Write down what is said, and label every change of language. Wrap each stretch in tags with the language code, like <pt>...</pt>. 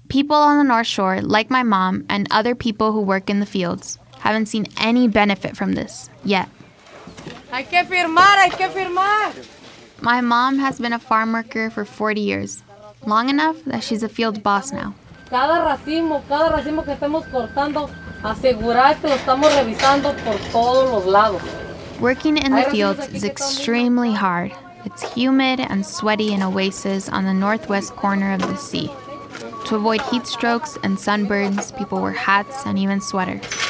<en>People on the North Shore, like my mom and other people who work in the fields, haven't seen any benefit from this yet.</en> <es>Hay que firmar, hay que firmar.</es> <en>My mom has been a farm worker for 40 years, long enough that she's a field boss now.</en> <es>Cada racimo que estamos cortando, asegurar que lo estamos revisando por todos los lados.</es> <en>Working in the fields is extremely hard. It's humid and sweaty in oases on the northwest corner of the sea. To avoid heat strokes and sunburns, people wear hats and even sweaters.</en>